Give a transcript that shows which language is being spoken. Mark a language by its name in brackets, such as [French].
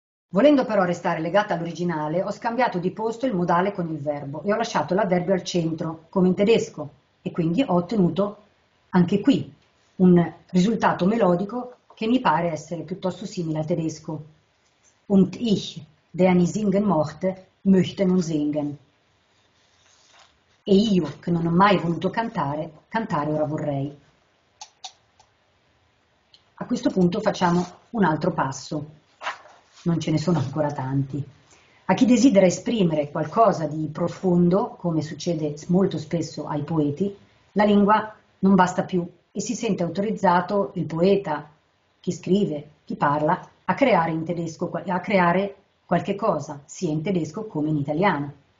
[Italian] Volendo però restare legata all'originale, ho scambiato di posto il modale con il verbo e ho lasciato l'avverbio al centro, come in tedesco, e quindi ho ottenuto anche qui un risultato melodico che mi pare essere piuttosto simile al tedesco. [German] Und ich, der nie singen mochte, möchte nun singen. [Italian] E io, che non ho mai voluto cantare, cantare ora vorrei. A questo punto facciamo un altro passo. Non ce ne sono ancora tanti. A chi desidera esprimere qualcosa di profondo, come succede molto spesso ai poeti, la lingua non basta più e si sente autorizzato il poeta, chi scrive, chi parla, a creare in tedesco, a creare qualche cosa, sia in tedesco come in italiano.